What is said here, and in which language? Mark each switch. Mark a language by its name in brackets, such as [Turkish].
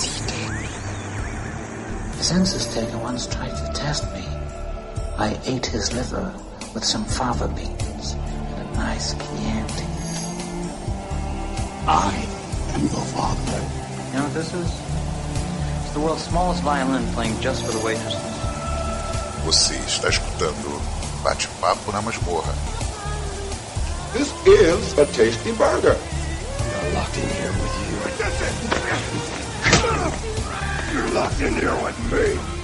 [English] census taker once tried to test me. I ate his liver with some fava beans and a nice Chianti. I am your father. You know what this is? It's the world's smallest violin playing just for the waitresses. [Portuguese] Você está escutando Bate-Papo na Masmorra. [English] This is a tasty burger. We are locked in here with you. You're locked in here with me.